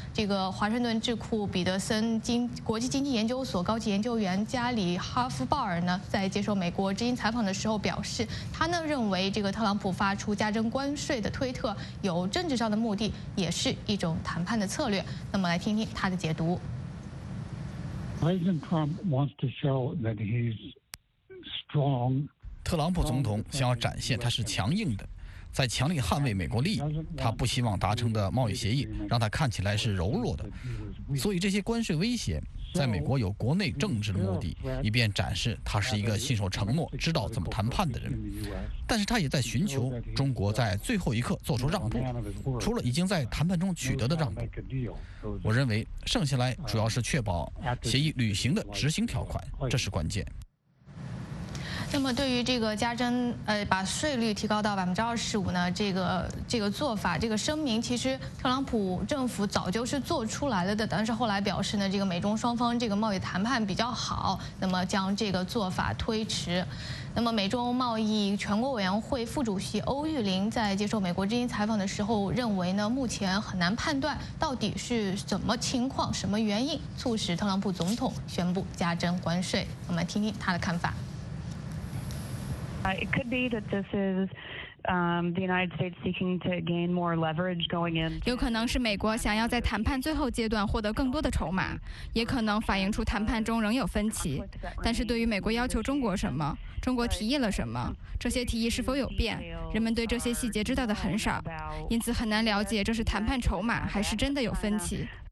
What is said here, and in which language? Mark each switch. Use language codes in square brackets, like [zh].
[zh] 这个华盛顿智库彼得森国际经济研究所高级研究员加里哈夫鲍尔呢，在接受美国之音采访的时候表示，他呢认为这个特朗普发出加征关税的推特有政治上的目的，也是一种谈判的策略。那么来听听他的解读。 [en] President Trump wants to show that he's strong. [zh] 特朗普总统想要展现他是强硬的，在强力捍卫美国利益，他不希望达成的贸易协议让他看起来是柔弱的，所以这些关税威胁在美国有国内政治的目的，以便展示他是一个信守承诺、知道怎么谈判的人。但是他也在寻求中国在最后一刻做出让步，除了已经在谈判中取得的让步。我认为剩下来主要是确保协议履行的执行条款，这是关键。那么对于这个加征把税率提高到25%呢，这个做法，这个声明，其实特朗普政府早就是做出来了的，但是后来表示呢，这个美中双方这个贸易谈判比较好，那么将这个做法推迟。那么美中贸易全国委员会副主席欧玉林在接受美国之音采访的时候认为呢，目前很难判断到底是怎么情况，什么原因促使特朗普总统宣布加征关税。我们听听他的看法。 [en] It could be that this is the United States seeking to gain more leverage going in. [zh] 有可能是美国想要在谈判最后阶段获得更多的筹码，也可能反映出谈判中仍有分歧。但是对于美国要求中国什么，中国提议了什么，这些提议是否有变，人们对这些细节知道的很少，因此很难了解这是谈判筹码还是真的有分歧。